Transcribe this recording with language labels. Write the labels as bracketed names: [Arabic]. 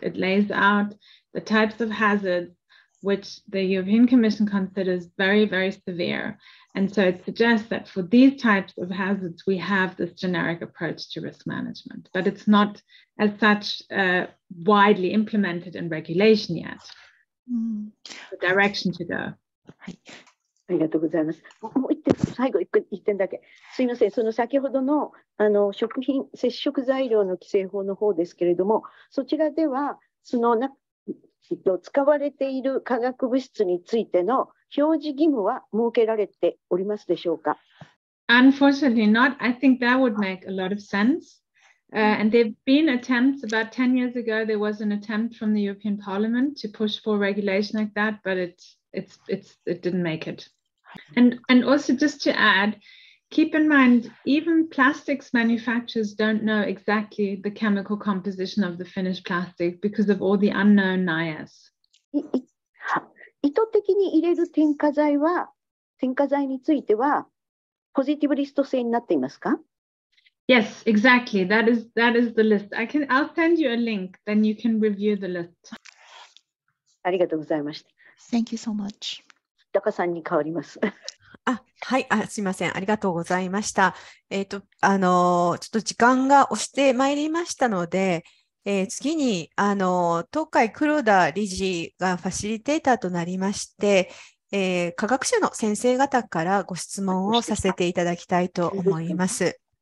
[English] It lays out the types of hazards which the European Commission considers very, very severe. And so it suggests that for these types of hazards, we have this generic approach to risk management, but it's not as such widely implemented in regulation yet. Mm-hmm. The direction to go. [Japanese] ありがとうございます。もう一点、最後一点だけ。すいません、その先ほどの、食品接触材料の規制法の方ですけれども、そちらでは、使われている化学物質についての表示義務は設けられておりますでしょうか？ [English] Unfortunately not. I think that would make a lot of sense. And there have been attempts about 10 years ago, there was an attempt from the European Parliament to push for regulation like that, but it didn't make it. And also just to add, keep in mind, even plastics manufacturers don't know exactly the chemical composition of the finished plastic because of all the unknown NIAS. [Japanese] 意図的に入れる添加剤についてはポジティブリスト制になっていますか？ [English] Yes, exactly. That is the list. I'll send you a link, then you can review the list. [Japanese] ありがとうございました。 [English] Thank you so much. [Japanese] 高さんに代わります。あ、はい、あ、すみません、ありがとうございました。ちょっと時間が押してまいりましたので、次に東海黒田理事がファシリテーターとなりまして、科学者の先生方からご質問をさせていただきたいと思います。